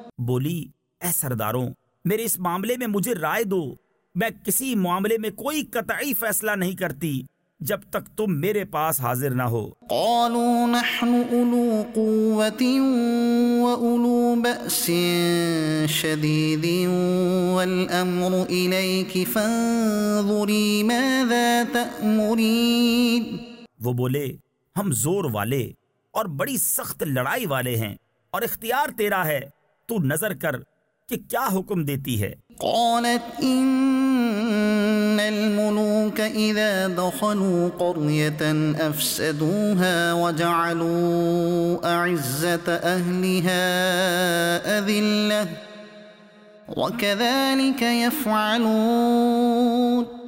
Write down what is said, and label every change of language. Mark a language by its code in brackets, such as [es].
[ur] بولی اے سرداروں میرے اس معاملے میں مجھے رائے دو میں کسی معاملے میں کوئی قطعی فیصلہ نہیں کرتی جب تک تم میرے پاس حاضر نہ ہو [ar] قالوا نحن اولو قوة واولو بأس شديد والامر اليك فانظري ماذا تأمرين [ur] وہ بولے ہم زور والے اور بڑی سخت لڑائی والے ہیں اور اختیار تیرا ہے تو نظر کر کہ کیا حکم دیتی ہے [ar] قالت ان الملوك اذا دخلوا قريه افسدوها وجعلوا اعزه اهلها اذله وكذلك يفعلون